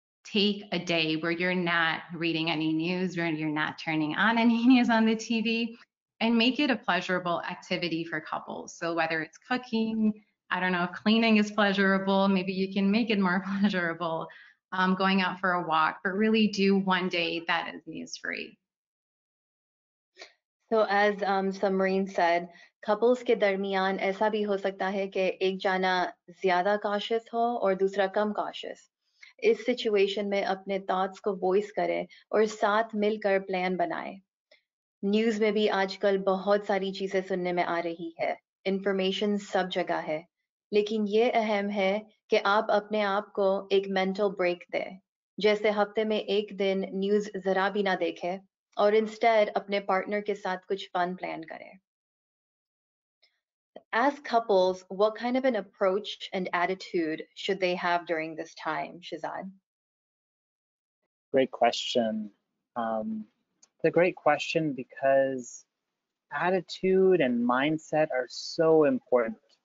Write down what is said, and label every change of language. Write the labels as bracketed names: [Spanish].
[English] Take a day where you're not reading any news, where you're not turning on any news on the TV, and make it a pleasurable activity for couples. So whether it's cooking, I don't know if cleaning is pleasurable, maybe you can make it more pleasurable, going out for a walk, but really do one day that is news free. So as Samreen said, couples [Urdu] کے درمیان ایسا بھی ہو سکتا ہے کہ ایک جانا زیادہ cautious ہو اور دوسرا کم cautious۔ اس situation میں اپنے thoughts کو voice کرے اور ساتھ مل کر plan بنائے۔ نیوز میں بھی آج کل بہت ساری چیزیں سننے میں آ رہی ہے۔ انفارمیشن سب جگہ ہے۔ لیکن یہ اہم ہے کہ آپ اپنے آپ کو ایک [English] mental break [Urdu] دے۔ جیسے ہفتے میں ایک دن نیوز ذرا بھی نہ دیکھے۔ [English] Or instead, [Urdu] اپنے partner کے ساتھ کچھ fun plan کرے۔ [English] As couples, what kind of an approach and attitude should they have during this time, Shahzad? Great question. It's a great question because attitude and mindset are so important.